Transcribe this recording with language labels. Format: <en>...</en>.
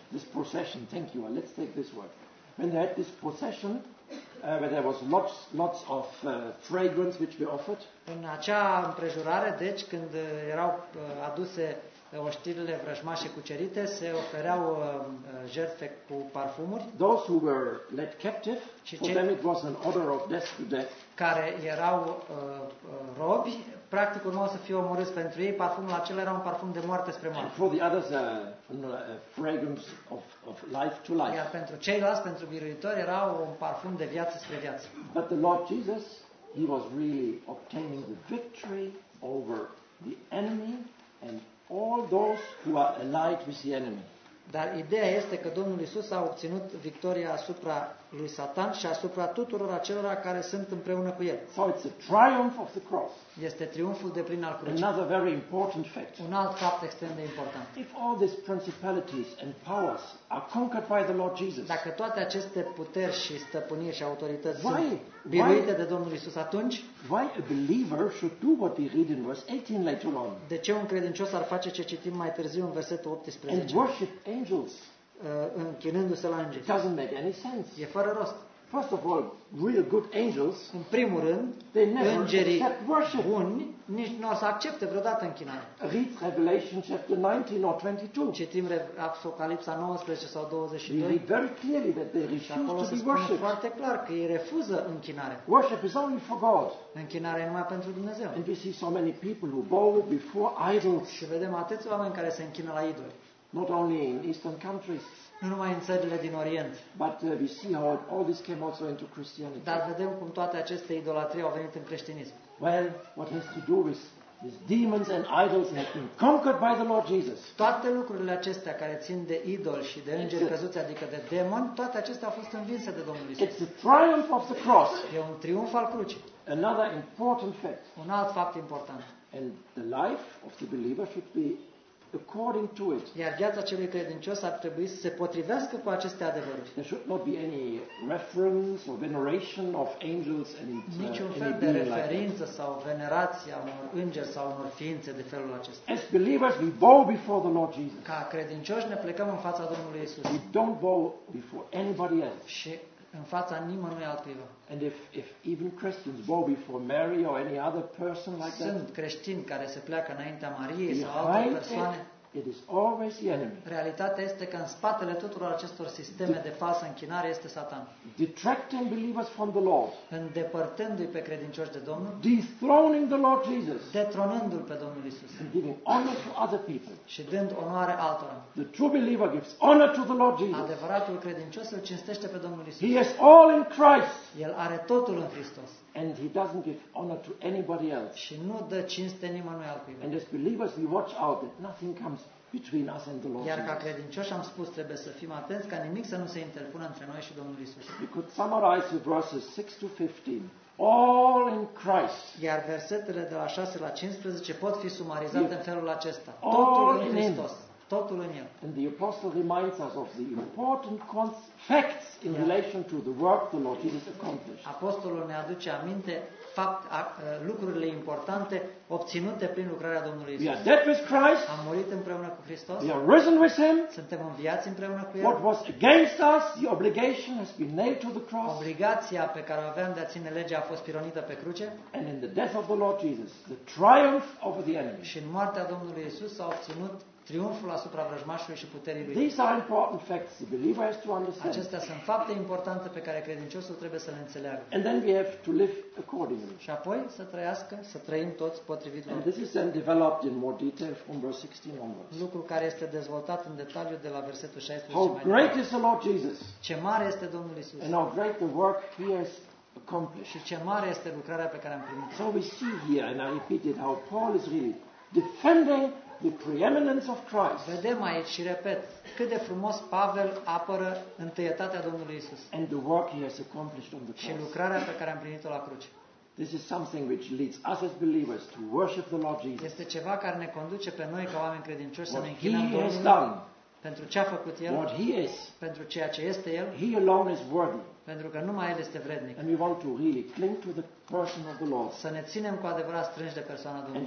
<en>This procession. Thank you. Let's take this word. When they had this procession, where there was lots of fragrance which we offered.</en> <ro>În acea împrejurare, deci când erau aduse oștirile vrăjmașe cucerite, se ofereau jertfe cu parfumuri.</ro> <en>Those who were led captive, for them it was an order of death to death.</en> <ro>Care erau robi, practic urmau să fie omorâți pentru ei, parfumul acela era un parfum de moarte spre moarte.</ro> <en>For the others, a fragrance of life to life.</en> <ro>Iar pentru ceilalți, pentru biruitori, era un parfum de viață spre viață.</ro> <en>But the Lord Jesus, he was really obtaining the victory over the enemy and all those who are allied with the enemy.</en> <ro>Dar ideea este că Domnul Iisus a obținut victoria asupra lui Satan și asupra tuturor acelora care sunt împreună cu el.</ro> <en>So it's a triumph of the cross.</en> <ro>Este triumful deplin al crucii.</ro> <en>Another very important fact.</en> <ro>Un alt fapt extrem de important.</ro> <en>If all these principalities and powers are conquered by the Lord Jesus.</en> <ro>Dacă toate aceste puteri și stăpâniri și autorități sunt biruite de Domnul Iisus atunci,</ro> <en>why a believer should do what we read in verse 18 later on?</en> <ro>De ce un credincios ar face ce citim mai târziu în versetul 18?</ro> <en>And worship angels.</en> <ro>Închinându-se la îngeri.</ro> <en>Doesn't make any sense.</en> <ro>E fără rost.</ro> <en>First of all, real good angels,</en> <ro>în primul rând,</ro> <en>they never</en> <ro>îngerii</ro> <en>accept worship.</en> <ro>Buni nici nu o să accepte vreodată închinare.</ro> <en>Read Revelation chapter 19 or 22.</en> <ro>Citim Apocalipsa 19 sau 22.</ro> <en>We read very clearly that they refuse to be worshipped.</en> <ro>Acolo se spune foarte clar că ei refuză închinare.</ro> <en>Worship is only for God.</en> <ro>Închinarea e numai pentru Dumnezeu.</ro> <en>And we see so many people who bow before idols.</en> <ro>Și vedem atâți oameni care se închină la idoli.</ro> <en>Not only in eastern countries,</en> <ro>nu numai în țările din Orient,</ro> <en>but we see how all this came also into Christianity.</en> <ro>Dar vedem cum toate aceste idolatrii au venit în creștinism.</ro> <en>Well, what has to do with these demons and idols have been conquered by the Lord Jesus.</en> <ro>Toate lucrurile acestea care țin de idol și de îngeri căzuți, adică de demoni, toate acestea au fost învinse de Domnul Iisus.</ro> <en>It's the triumph of the cross.</en> <ro>E un triumf al crucii.</ro> <en>Another important fact.</en> <ro>Un alt fapt important.</ro> <en>And the life of the believer should be according to it.</en> <ro>Iar viața celui credincios ar trebui să se potrivească cu aceste adevăruri.</ro> <en>There should not be any reference or veneration of angels and</en> <ro>niciun fel de referință sau venerație a unor îngeri sau unor ființe de felul acesta.</ro> <en>As believers, we bow before the Lord Jesus.</en> <ro>Ca credincioși ne plecăm în fața Domnului Iisus.</ro> <en>We don't bow before anybody else.</en> <ro>Și în fața nimănui altcuiva.</ro> <en>And if even Christians bow before Mary or any other person like that,</en> <ro>sunt creștini care se pleacă înaintea Mariei sau altor persoane.</ro> <en>It is always the enemy.</en> <ro>Realitatea este că în spatele tuturor acestor sisteme de falsă închinare este Satan.</ro> <en>Detracting believers from the Lord.</en> <ro>Îndepărtându-i pe credincioși de Domnul.</ro> <en>Dethroning the Lord Jesus.</en> <ro>Detronându-l pe Domnul Iisus.</ro> <en>And giving honor to other people.</en> <ro>Și dând onoare altora.</ro> <en>The true believer gives honor to the Lord Jesus.</en> <ro>Adevăratul credincios îl cinstește pe Domnul Iisus.</ro> <en>He is all in Christ.</en> <ro>El are totul în Hristos.</ro> <en>And he doesn't give honor to anybody else.</en> <ro>Și nu dă cinste nimănui altcuiva.</ro> <en>And as believers, we watch out that nothing comes between us and the Lord.</en> <ro>Iar ca credincioși am spus, trebuie să fim atenți ca nimic să nu se interpună între noi și Domnul Iisus.</ro> <en>We could summarize the verses 6 to 15. All in Christ.</en> <ro>Iar versetele de la 6 la 15 pot fi sumarizate în felul acesta. Totul în Hristos. Totul în el.</ro> <en>And the apostle reminds us of the important facts in relation to the work the Lord Jesus accomplished.</en> <ro>Apostolul ne aduce aminte lucrurile importante obținute prin lucrarea Domnului Iisus.</ro> <en>We are dead with Christ.</en> <ro>Am murit împreună cu Hristos.</ro> <en>We are risen with him.</en> <ro>Suntem înviați împreună cu el.</ro> <en>What was against us, the obligation has been nailed to the cross.</en> <ro>Obligația pe care o aveam de a ține legea a fost pironită pe cruce.</ro> <en>And in the death of the Lord Jesus, the triumph over the enemy.</en> <ro>Și în moartea Domnului Iisus s-a obținut triumful asupra vrăjmașului și puterii lui.</ro> <en>These are important facts the believer has to understand.</en> <ro>Acestea sunt fapte importante pe care credinciosul trebuie să le înțeleagă.</ro> <en>And then we have to live accordingly.</en> <ro>Și apoi să trăiască, să trăim toți potrivit lui.</ro> <en>And this is then developed in more detail from verse 16 onwards.</en> <ro>Lucru care este dezvoltat în detaliu de la versetul 16.</ro> <en>How great is the Lord Jesus.</en> <ro>Ce mare este Domnul Iisus.</ro> <en>And how great the work he has accomplished.</en> <ro>Și ce mare este lucrarea pe care am primit-o.</ro> <en>So we see here, and I repeat it, how Paul is really defending the preeminence of Christ.</en> <ro>Vedem aici și repet cât de frumos Pavel apără întâietatea Domnului Iisus.</ro> <en>And the work he has accomplished on the cross.</en> <ro>Și lucrarea pe care am primit-o la cruce.</ro> <en>This is something which leads us as believers to worship the Lord Jesus.</en> <ro>Este ceva care ne conduce pe noi ca oameni credincioși</ro> <en>what</en> <ro>să ne închinăm</ro> <en>he</en> <ro>Domnului.</ro> <en>Has done,</en> <ro>pentru ce a făcut el.</ro> <en>What he is,</en> <ro>pentru ceea ce este el.</ro> <en>He alone is worthy.</en> <ro>Pentru că numai el este vrednic.</ro> <en>And we want to really cling to the person of the Lord.</en> <ro>Să ne ținem cu adevărat strânși de persoana Domnului.</ro>